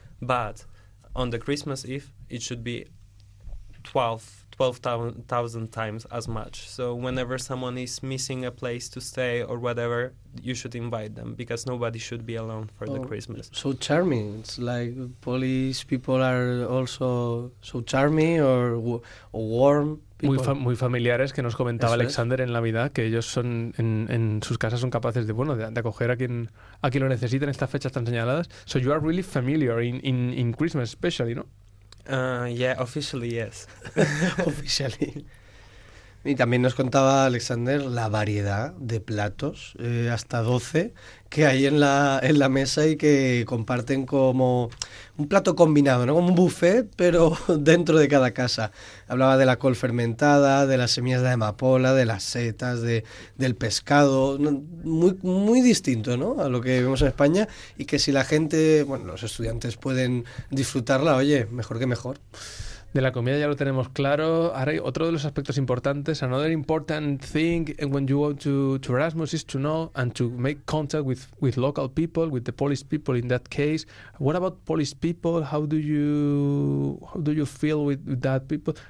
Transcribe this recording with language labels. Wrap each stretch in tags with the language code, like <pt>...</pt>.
<en>But on the Christmas Eve, it should be 12,000 times as much. So whenever someone is missing a place to stay or whatever, you should invite them, because nobody should be alone for the Christmas. So charming. It's like Polish people are also so charming or warm.</en> <es>Muy familiares, que nos comentaba Alexander en Navidad, que ellos son en sus casas son capaces de acoger a quien lo necesita en estas fechas tan señaladas.</es> <en>So you are really familiar in Christmas especially, ¿no? Yeah, officially, yes. Officially.</en> <es>Y también nos contaba Alexander la variedad de platos, hasta 12, que hay en la mesa y que comparten como un plato combinado, ¿no? Como un buffet, pero dentro de cada casa. Hablaba de la col fermentada, de las semillas de amapola, de las setas, del pescado. Muy, muy distinto, ¿no?, a lo que vemos en España. Y que si la gente, bueno, los estudiantes pueden disfrutarla, oye, mejor que mejor. De la comida ya lo tenemos claro. Ahora, otro de los aspectos importantes,</es> <en>another important thing when you go to Erasmus is to know and to make contact with local people, with the Polish people in that case. What about Polish people? How do you feel with that people?</en>